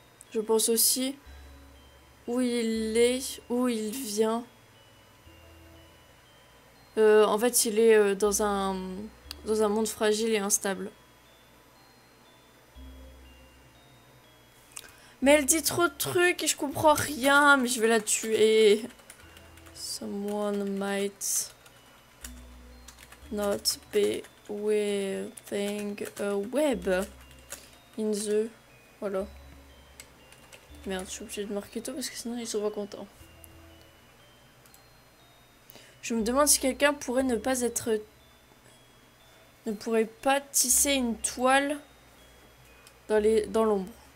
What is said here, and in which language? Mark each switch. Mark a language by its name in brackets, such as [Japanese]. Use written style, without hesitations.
[French] Je pense aussi où il est, où il vient. En fait, il est dans un monde fragile et instable. Mais elle dit trop de trucs et je comprends rien, mais je vais la tuer. [English] Someone might not be weaving a web in the. [French] Voilà. Merde, je suis obligée de marquer tout parce que sinon ils sont pas contents. Je me demande si quelqu'un pourrait ne pas être. Ne pourrait pas tisser une toile dans l'ombre.